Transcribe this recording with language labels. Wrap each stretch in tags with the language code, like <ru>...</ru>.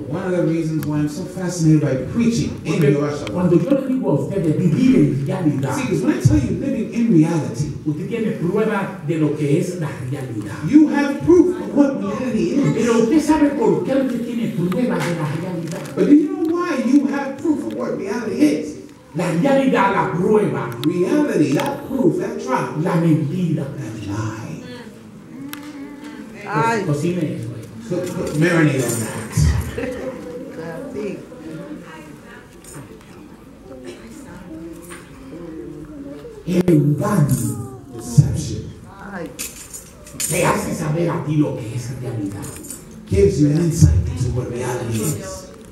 <en>One of the reasons why I'm so fascinated by preaching in Jehová Shalom.</en> <es>Cuando yo le digo a ustedes vivir en realidad.</es> <en>See, because when I tell you living in reality,</en> <es>usted tiene prueba de lo que es la realidad.</es> <en>You have proof of what reality is.</en> <es>Pero usted sabe por qué usted tiene prueba de la realidad.</es> <en>But do you know why you have proof of what reality is?</en> <es>La realidad, la prueba.</es> <en>Reality, that proof, that trial.</en> <es>La mentira,</es> <en>the lie.</en> <es>Cocine eso.</es> <en>Marinate on that.</en> <es>El engaño. perception. Te hace saber a ti lo que es realidad.</es> <en>Gives you an insight into what reality is.</en>